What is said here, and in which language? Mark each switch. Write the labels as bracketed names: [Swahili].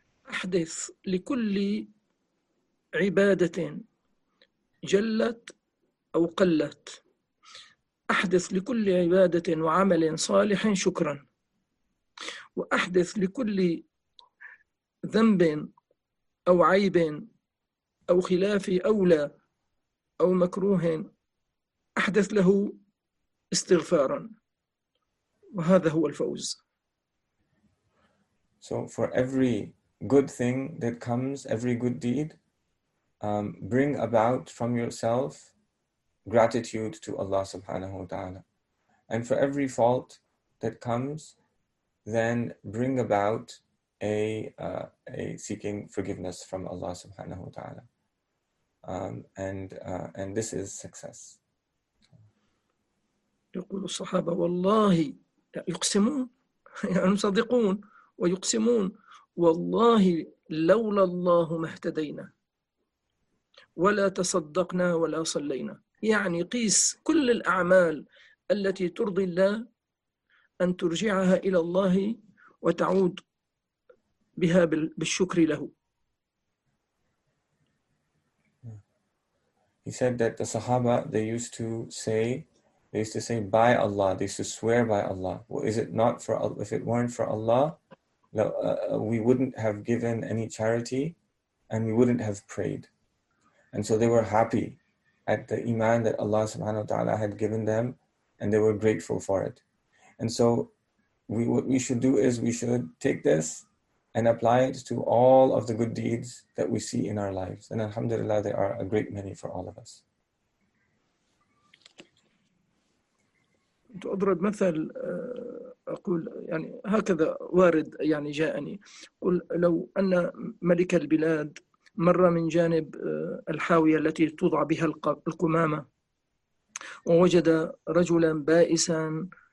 [Arabic] أحدث لكل عبادة جلت أو قلت، أحدث لكل عبادة وعمل صالح شكرا، وأحدث لكل ذنب أو عيب أو خلاف أولى أو مكروه، أحدث له استغفارا، وهذا هو الفوز. [English] So for every good thing that comes, every good deed, bring about from yourself gratitude to Allah subhanahu wa ta'ala. And for every fault that comes, then bring about a seeking forgiveness from Allah subhanahu wa ta'ala. And this is success. [Arabic] يقول الصحابة والله يقسمون يعني صادقون ويقسمون والله لولا الله ما اهتدينا ولا تصدقنا ولا صلينا. يعني قيس كل الأعمال التي ترضي الله أن ترجعها إلى الله وتعود بها بالشكر له. [English] He said that the Sahaba, they used to say by Allah, they used to swear by Allah. Well, is it not for, if it weren't for Allah, we wouldn't have given any charity and we wouldn't have prayed. And so they were happy at the iman that Allah subhanahu wa ta'ala had given them, and they were grateful for it. And so what we should do is we should take this and apply it to all of the good deeds that we see in our lives. And alhamdulillah, there are a great many for all of us. [Arabic] تضرب مثل أقول يعني هكذا وارد يعني جاءني قل لو أن ملك البلاد مر من جانب الحاوية التي توضع بها القمامة ووجد رجلا بائسا